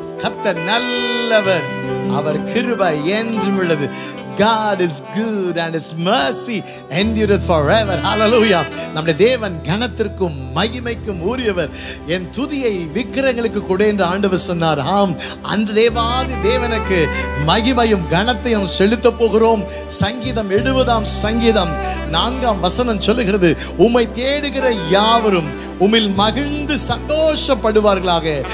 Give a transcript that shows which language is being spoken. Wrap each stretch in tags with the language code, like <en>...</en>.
<ta>கர்த்தர் நல்லவர், அவர் கிருபை என்றுமுள்ளது.</ta> <en>God is good and his mercy endureth forever. Hallelujah.</en> <ta>நம்முடைய தேவன் கனத்திற்கும் மகிமைக்கும் உரியவர். என் துதியை விக்கிரகங்களுக்கு கொடு என்று ஆண்டவர் சொன்னார். ஆம், அந்த தேவாதி தேவனுக்கு மகிமையும் கனத்தையும் செலுத்த போகிறோம். சங்கீதம் 70 சங்கீதம் 4 வசனம் சொல்லுகிறது, உம்மை தேடுகிற யாவரும் உமில் மகிழ்ந்து சந்தோஷப்படுவார்களாக.</ta>